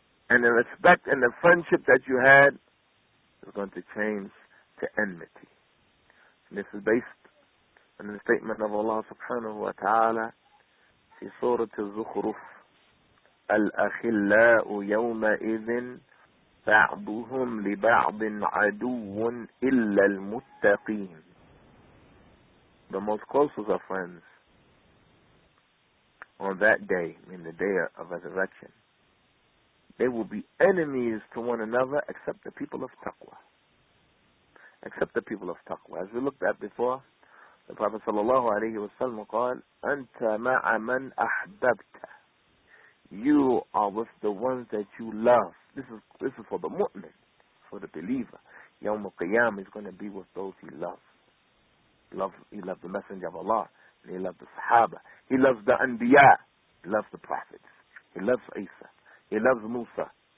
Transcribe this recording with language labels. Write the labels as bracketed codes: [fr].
[en] And the respect and the friendship that you had is going to change to enmity. And this is based on the statement of Allah subhanahu wa ta'ala in Surah Al-Zukhruf. [ar] الأخلاء يومئذ بعضهم لبعض عدو إلا المتقين. [en] The most closest of friends on that day, in the day of resurrection, they will be enemies to one another except the people of taqwa. Except the people of taqwa. As we looked at before, the Prophet [ar] صلى الله عليه وسلم قال أنت مع من أحببت. [en] You are with the ones that you love. This is for the mu'min, for the believer. Yawm al-Qiyam is going to be with those he loves. He loves the Messenger of Allah. And he loves the Sahaba. He loves the Anbiya. He loves the Prophets. He loves Isa. He loves Musa.